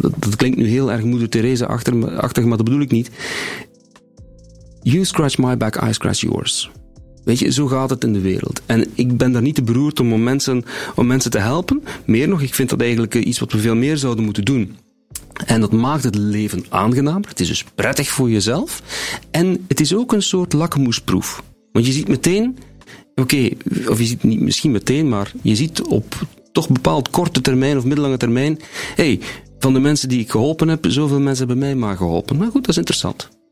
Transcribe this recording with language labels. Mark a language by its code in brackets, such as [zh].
[nl] Dat klinkt nu heel erg Moeder Theresa-achtig, maar dat bedoel ik niet. [en] You scratch my back, I scratch yours. [nl] Weet je, zo gaat het in de wereld. En ik ben daar niet te beroerd om mensen te helpen. Meer nog, ik vind dat eigenlijk iets wat we veel meer zouden moeten doen. En dat maakt het leven aangenamer. Het is dus prettig voor jezelf. En het is ook een soort lakmoesproef. Want je ziet meteen, of je ziet niet misschien meteen, maar je ziet op toch bepaald korte termijn of middellange termijn, van de mensen die ik geholpen heb, zoveel mensen hebben mij maar geholpen. Maar goed, dat is interessant.